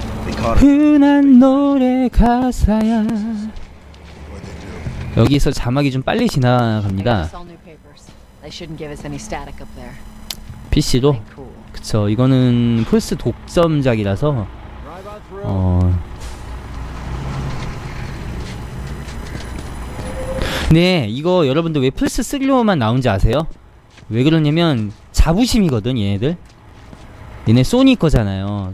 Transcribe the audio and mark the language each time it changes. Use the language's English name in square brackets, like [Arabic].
[English] They caught [Korean] 흔한 노래 가사야. 여기서 자막이 좀 빨리 지나갑니다. [English] They shouldn't give us any static up there. [Korean] PC도 그쵸. 이거는 플스 독점작이라서 네 이거 여러분들 왜 플스3로만 나온지 아세요? 왜 그러냐면 자부심이거든 얘네들. 얘네 소니 거잖아요.